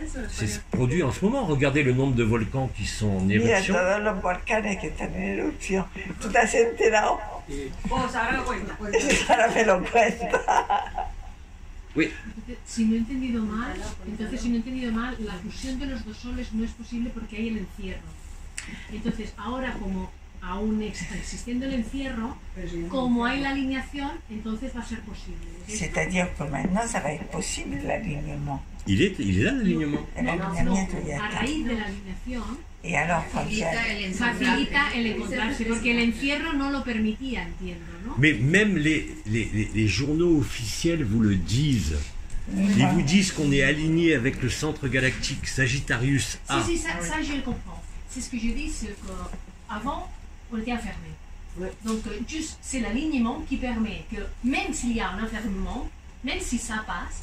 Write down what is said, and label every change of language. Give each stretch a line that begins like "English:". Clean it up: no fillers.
French: C'est produit en ce moment. Regardez le nombre de volcans qui sont en éruption.
Spanish: Mira, todos los volcanes que están en erupción. ¿Tú te has enterado?
French: Bon,
Spanish: Sara me lo cuenta.
French: Oui.
Spanish: Si no he entendido mal, entonces si no he entendido mal, la fusión de los dos soles no es posible porque hay el encierro. Entonces, ahora como aún existiendo el encierro, como hay la alineación, entonces va a ser posible.
French: C'est-à-dire que maintenant ça va être possible l'alignement. Il est là l'alignement.
Spanish: No, l'alignement no, a raíz de l'alignación.
French: Et alors,
Spanish: facilita el encontrarse, porque el encierro no lo permitía, entiendo, ¿no?
French: Mais même les journaux officiels vous le disent. Ils vous disent qu'on est aligné avec le centre galactique Sagittarius A. Si, ça je le comprends. C'est ce que je dis, c'est qu'avant, on était enfermé. Donc, juste, c'est l'alignement qui permet que, même s'il y a un enfermement, même si ça passe...